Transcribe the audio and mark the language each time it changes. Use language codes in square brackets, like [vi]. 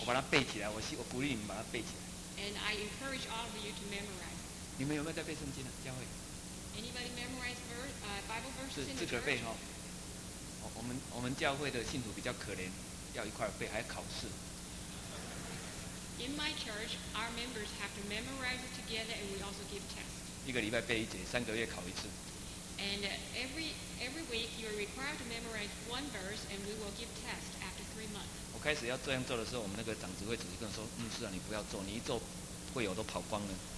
[zh] 我把它背起来，我鼓励你们把它背起来。 [en] And I encourage all of you to memorize. [zh] 你们有没有在背圣经啊？教会。 [en] Anybody memorize Bible verses in the church? [zh] 自个背哈。我们教会的信徒比较可怜，要一块背，还要考试。 [en] In my church, our members have to memorize it together, and we also give tests. [zh] 一个礼拜背一节，三个月考一次。 [en] And every week you are required to memorize one verse, and we will give tests after 3 months. [zh] 我开始要这样做的时候，我们那个长执会主席跟我说：“牧师啊，你不要做，你一做，会友都跑光了。